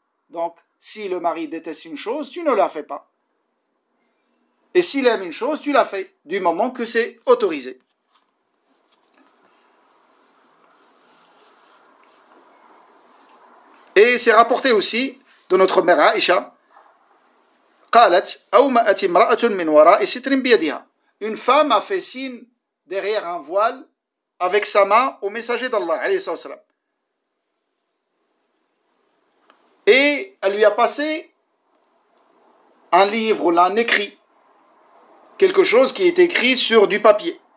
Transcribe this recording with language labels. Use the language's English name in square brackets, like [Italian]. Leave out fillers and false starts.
[French] Donc, si le mari déteste une chose, tu ne la fais pas. Et s'il aime une chose, tu la fais, du moment que c'est autorisé. Et c'est rapporté aussi de notre mère Aïcha. [Arabic] قالت أو ما أتى امرأة من وراء ستر بيدها. [French] Une femme a fait signe derrière un voile avec sa main au messager d'Allah, عليه الصلاة والسلام. Et elle lui a passé un livre, un écrit, quelque chose qui est écrit sur du papier.